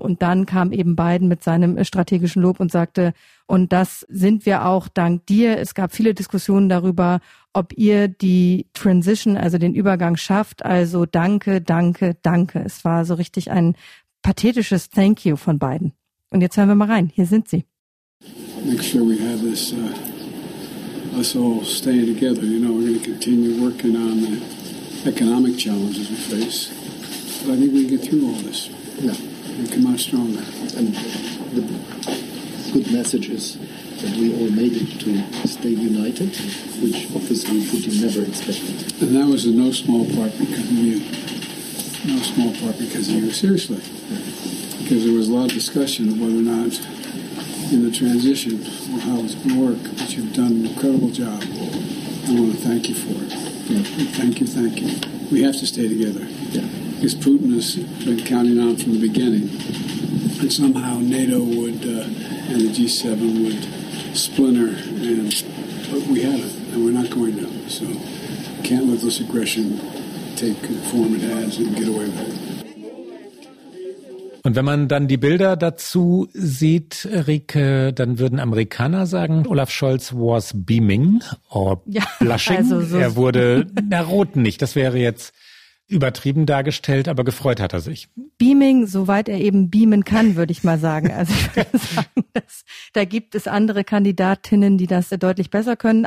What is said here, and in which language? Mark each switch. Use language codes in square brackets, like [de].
[de] Und dann kam eben Biden mit seinem strategischen Lob und sagte, und das sind wir auch dank dir. Es gab viele Diskussionen darüber, ob ihr die Transition, also den Übergang schafft. Also danke, danke, danke. Es war so richtig ein pathetisches [en] Thank you [de] von Biden. Und jetzt hören wir mal rein. Hier sind sie. [en] Make sure we have this, us all stay together. You know, we're going to continue working on the economic challenges we face. But I think we can get through all this. Yeah. And come out stronger. And the good message is that we all made it to stay united, which obviously Putin never expected. And that was in no small part because of you. No small part because of you. Seriously. Yeah. Because there was a lot of discussion of whether or not in the transition or how it's going to work. But you've done an incredible job. I want to thank you for it. Yeah. Thank you, thank you. We have to stay together. Yeah. Because Putin has been counting on from the beginning that somehow NATO would and the G7 would splinter, but we haven't, and we're not going to. So can't let this aggression take the form it has and get away with it. [de] Und wenn man dann die Bilder dazu sieht, Rieke, dann würden Amerikaner sagen, Olaf Scholz [en] was beaming or blushing. [de] Ja, also so. Er wurde, na rot nicht, das wäre jetzt übertrieben dargestellt, aber gefreut hat er sich. Beaming, soweit er eben beamen kann, würde ich mal sagen. Also ich würde sagen, dass, da gibt es andere Kandidatinnen, die das deutlich besser können.